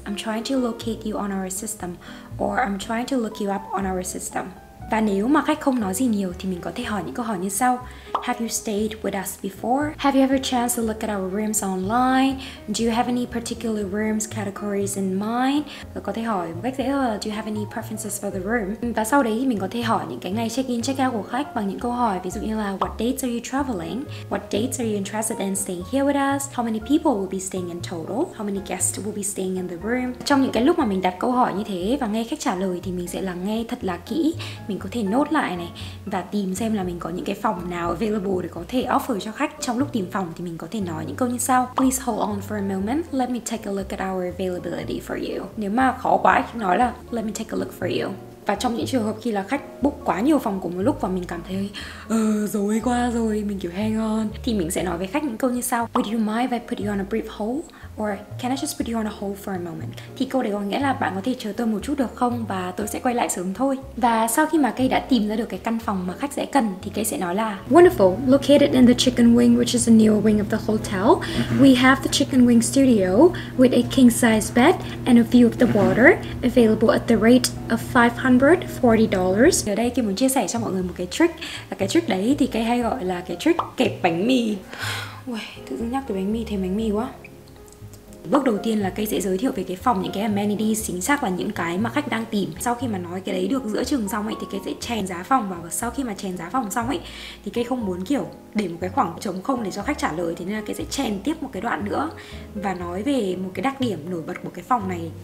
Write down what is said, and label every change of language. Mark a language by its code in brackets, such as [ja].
[en] I'm trying to locate you on our system, or I'm trying to look you up on our system. [vi] Và nếu mà khách không nói gì nhiều thì mình có thể hỏi những câu hỏi như sau: Have you stayed with us before? [en] Have you ever chance to look at our rooms online? Do you have any particular rooms categories in mind? [vi] Và có thể hỏi một cách dễ hơn là Do you have any preferences for the room? Và sau đấy thì mình có thể hỏi những cái ngày check in check out của khách bằng những câu hỏi ví dụ như là What dates are you traveling? [en] What dates are you interested in staying here with us? How many people will be staying in total? [vi] How many guests will be staying in the room? Trong những cái lúc mà mình đặt câu hỏi như thế và nghe khách trả lời thì mình sẽ lắng nghe thật là kỹ. Mình có thể nốt lại này và tìm xem là mình có những cái phòng nào available để có thể offer cho khách. Trong lúc tìm phòng thì mình có thể nói những câu như sau: Please hold on for a moment, let me take a look at our availability for you. Nếu mà khó quá thì nói là let me take a look for you. Và trong những trường hợp khi là khách book quá nhiều phòng cùng một lúc và mình cảm thấy dối quá rồi, mình kiểu hang on, thì mình sẽ nói với khách những câu như sau: Would you mind if I put you on a brief hold? Or can I just put you on a hold for a moment? Thì câu đấy có nghĩa là bạn có thể chờ tôi một chút được không, và tôi sẽ quay lại sớm thôi. Và sau khi mà Kay đã tìm ra được cái căn phòng mà khách sẽ cần, thì Kay sẽ nói là: Wonderful, located in the chicken wing, which is a newer wing of the hotel. [en] We have the chicken wing studio with a king size bed and a view of the water, available at the rate of $540. [vi] Ở đây Kay muốn chia sẻ cho mọi người một cái trick. Và cái trick đấy thì Kay hay gọi là cái trick kẹp bánh mì. Uầy, tự dưng nhắc tới bánh mì thấy bánh mì quá. Bước đầu tiên là Kay sẽ giới thiệu về cái phòng, những cái amenities, chính xác là những cái mà khách đang tìm. Sau khi mà nói cái đấy được giữa chừng xong ấy, thì Kay sẽ chèn giá phòng vào. Và sau khi mà chèn giá phòng xong ấy, thì Kay không muốn kiểu để một cái khoảng trống không để cho khách trả lời, thế nên là Kay sẽ chèn tiếp một cái đoạn nữa và nói về một cái đặc điểm nổi bật của cái phòng này.